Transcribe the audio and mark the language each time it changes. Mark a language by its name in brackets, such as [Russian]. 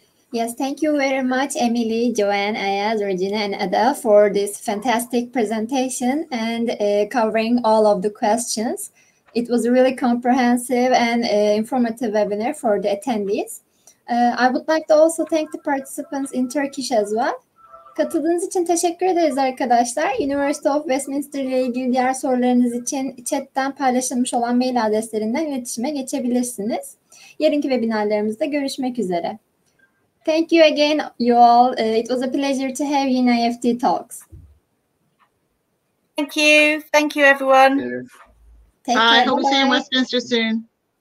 [English] Yes, thank you very much, Emily, Joanne, Ayaz, Regina, and Ada, for this fantastic presentation and covering all of the questions. It was a really comprehensive and informative webinar for the attendees. I would like to also thank the participants in Turkish as well. [Turkish] Katıldığınız için teşekkür ederiz arkadaşlar. University of Westminster ile ilgili diğer sorularınız için chatten paylaşılmış olan mail adreslerinden iletişime geçebilirsiniz. Yarınki webinarlarımızda görüşmek üzere. [English] Thank you again, you all. It was a pleasure to have you in IEFT Talks. Thank you. Thank you, everyone. Take care. Bye. Hope to see you in Westminster soon.